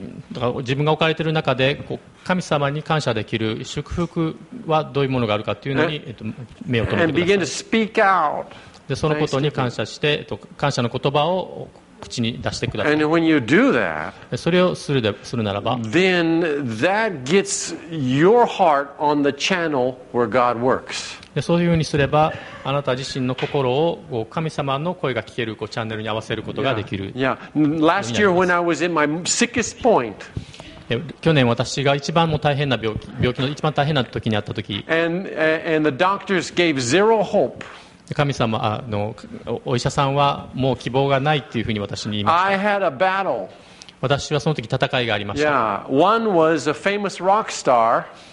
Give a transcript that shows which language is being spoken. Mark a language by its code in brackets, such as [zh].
[ja] だから自分が置かれている中で神様に感謝できる祝福はどういうものがあるかというのに目を留めてください。でそのことに感謝して感謝の言葉を口に出してください。 [en] And when you do that, [ja] それをするならば、 [en] then that gets your heart on the channel where God works. [ja] そういうふうにすれば、あなた自身の心を神様の声が聞けるチャンネルに合わせることができる。 Yeah. [en] Last year when I was in my sickest point, [ja] 去年私が一番も大変な病気の一番大変な時にあった時、 [en] and the doctors gave zero hope. [ja] 神様お医者さんはもう希望がないというふうに私に言いました。 [en] I had a battle. [ja] 私はその時戦いがありました。 [en] Yeah. One was a famous rock star.